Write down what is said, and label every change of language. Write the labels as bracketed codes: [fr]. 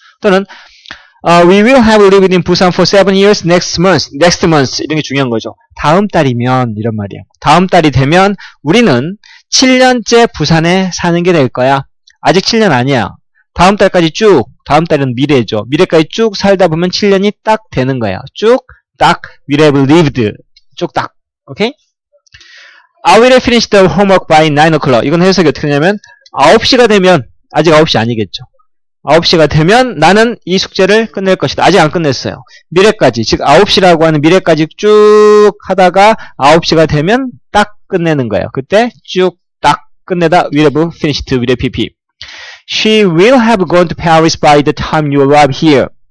[en] 또는 We will have lived in Busan for 7 years next month. [ko] 이런 게 중요한 거죠. 다음 달이면, 이런 말이에요. 다음 달이 되면 우리는 7년째 부산에 사는 게 될 거야. 아직 7년 아니야. 다음 달까지 쭉, 다음 달은 미래죠. 미래까지 쭉 살다 보면 7년이 딱 되는 거예요. 쭉, 딱, [en] we have lived. [ko] 쭉, 딱. 오케이? [en] Okay? I will finish the homework by 9 o'clock. [ko] 이건 해석이 어떻게 되냐면, 9시가 되면, 아직 9시 아니겠죠. 9시가 되면 나는 이 숙제를 끝낼 것이다. 아직 안 끝냈어요. 미래까지, 즉 9시라고 하는 미래까지 쭉 하다가 9시가 되면 딱 끝내는 거예요. 그때 쭉, 딱, 끝내다, [en] will have finished, will have pp. She will have gone to Paris by the time you arrive here.